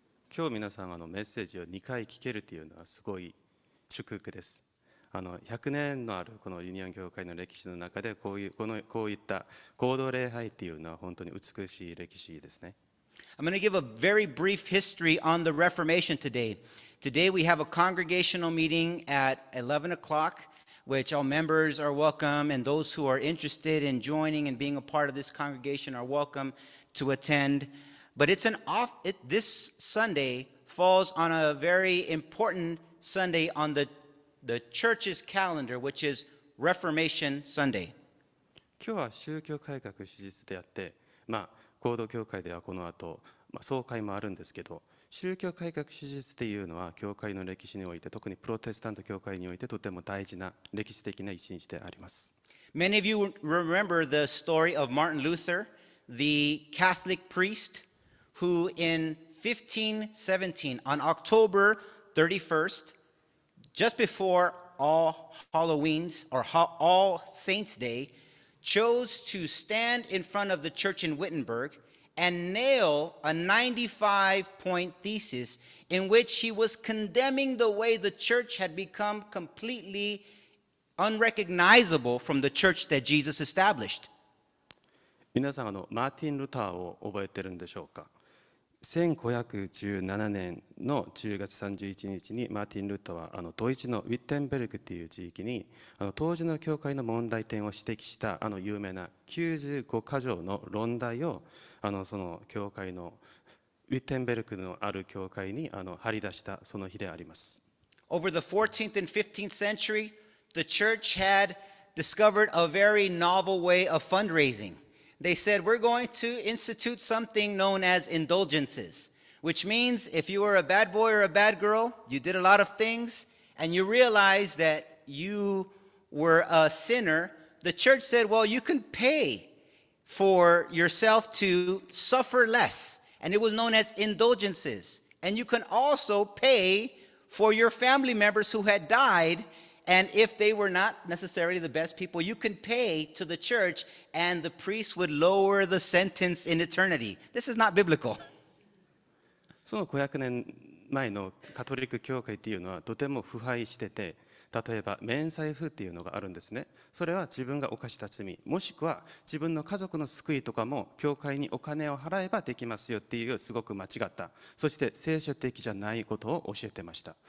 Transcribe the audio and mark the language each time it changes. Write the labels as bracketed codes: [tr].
[ja] 今日皆さんメッセージを2回聞けるというのはすごい祝福です。 100年のあるこのユニオン教会の歴史の中でこういった合同礼拝というのは本当に美しい歴史ですね。 [en] I'm going to give a very brief history on the Reformation today. Today we have a congregational meeting at 11 o'clock, which all members are welcome, and those who are interested in joining and being a part of this congregation are welcome to attend. But this Sunday falls on a very important Sunday on the church's calendar, which is Reformation Sunday. [ja] 今日は宗教改革主日であって、合同教会ではこの後、総会もあるんですけど、宗教改革主日というのは教会の歴史において、特にプロテスタント教会においてとても大事な歴史的な一日であります。 [en] Many of you remember the story of Martin Luther, the Catholic priest. Who in 1517, on October 31st, just before All Halloween's or All Saints' Day, chose to stand in front of the church in Wittenberg and nail a 95-point thesis in which he was condemning the way the church had become completely unrecognizable from the church that Jesus established. [ja] 皆さん、マーティン・ルターを覚えてるんでしょうか。1517年の10月31日にマーティン・ルターはドイツのウィッテンベルクという地域に当時の教会の問題点を指摘した有名な95箇条の論題をその教会のウィッテンベルクのある教会に張り出したその日であります。 [en] Over the 14th and 15th century, the church had discovered a very novel way of fundraising. They said, we're going to institute something known as indulgences, which means if you were a bad boy or a bad girl, you did a lot of things, and you realized that you were a sinner, the church said, well, you can pay for yourself to suffer less. And it was known as indulgences. And you can also pay for your family members who had died. And if they were not necessarily the best people, you can pay to the church and the priest would lower the sentence in eternity. This is not biblical. [ja] その500年前のカトリック教会というのはとても腐敗してて、例えば免罪符というのがあるんですね。それは自分が犯した罪、もしくは自分の家族の救いとかも教会にお金を払えばできますよっていう、すごく間違った、そして聖書的じゃないことを教えてました。